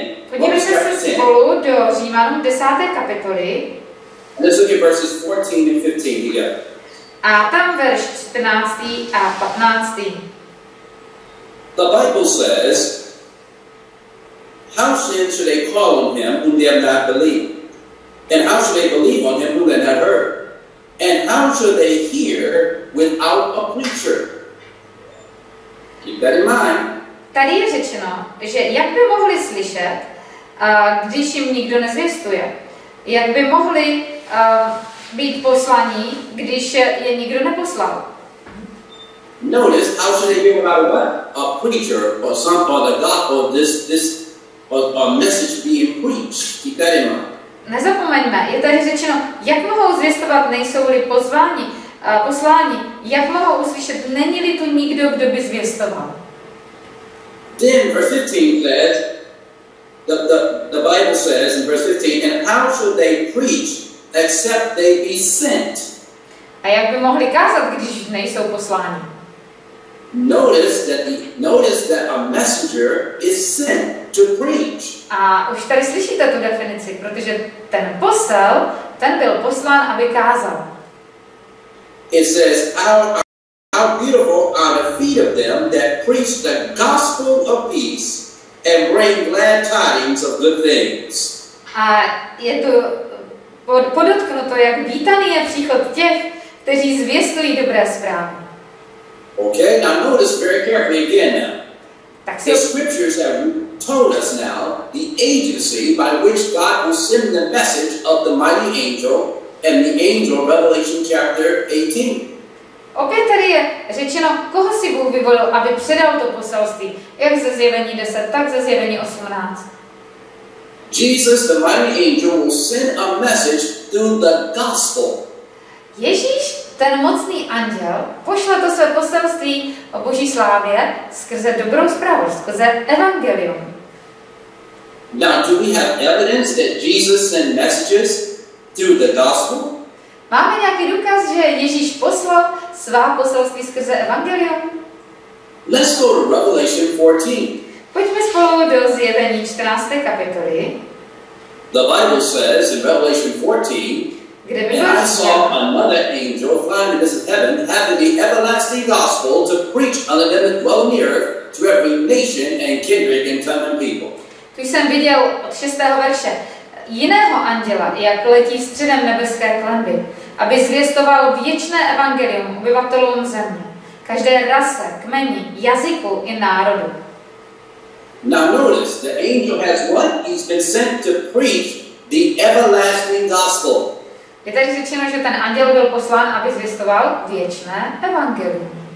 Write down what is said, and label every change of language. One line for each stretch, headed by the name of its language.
Czech: Podívejme se spolu do Římanů 10. kapitoly.
English: Let's look at verses 14 and 15 together.
Czech: A tam verš 14. a 15.
English: The Bible says, how sin should they call on him whom they have not believed? And how should they believe on him who they have not heard? And how should they hear without a preacher? Keep that in mind.
Czech: Tady je řečeno, že jak by mohli slyšet, když jim nikdo nezvěstuje? Jak by mohli být poslaní, když je nikdo neposlal?
English: Notice, how should they hear without what? A preacher or some or the gospel, a message being preached. Keep that in mind.
Czech: Nezapomeňme, je tady řečeno, jak mohou zvěstovat, nejsou-li pozváni, poslání, jak mohou uslyšet, není-li tu nikdo, kdo by zvěstoval?
English: Then verse 15 says, the Bible says in verse 15, and how should they preach except they be sent?
Czech: A jak by mohli kázat, když nejsou poslání?
English: Notice that a messenger is sent to preach.
Czech: A už tady slyšíte tu definici, protože ten posel, ten byl poslán, aby kázal.
English: It says, how beautiful are the feet of them that preach the gospel of peace and bring glad tidings of good things.
Czech: A je to podotknuto, jak vítaný je příchod těch, kteří zvěstují dobré zprávy.
English: Okay, now notice very carefully again now.
Czech: Tak
English: the scriptures have told us now the agency by which God will send the message of the mighty angel and the angel, Revelation chapter 18.
Czech: Opět tady je řečeno, koho si Bůh vyvolil, aby předal to poselství, jak ze zjevení 10, tak ze zjevení 18.
English: Jesus, the mighty angel, will send a message through the gospel.
Czech: Ježíš, ten mocný anděl, pošle to své poselství o Boží slávě skrze dobrou zprávu, skrze evangelium.
English: Now, do we have evidence that Jesus sent messages through the gospel?
Czech: Máme nějaký důkaz, že Ježíš poslal svá poselství skrze evangelium?
English: Let's go to Revelation 14.
Czech: Pojďme spolu do zjevení 14. kapitoly.
English: The Bible says in Revelation 14, and I saw another angel flying in heaven, having the everlasting gospel to preach unto them that dwell on the earth, to every nation and kindred and tongue and people.
Czech: Tu jsem viděl od 6. verše jiného anděla, jak letí středem nebeské klenby, aby zvěstoval věčné evangelium obyvatelům země, každé rase, kmeni, jazyku i národu.
English: Now notice, the angel has what? He's been sent to preach the everlasting gospel.
Czech: Je tady řečeno, že ten anděl byl poslán, aby zvěstoval věčné evangelium.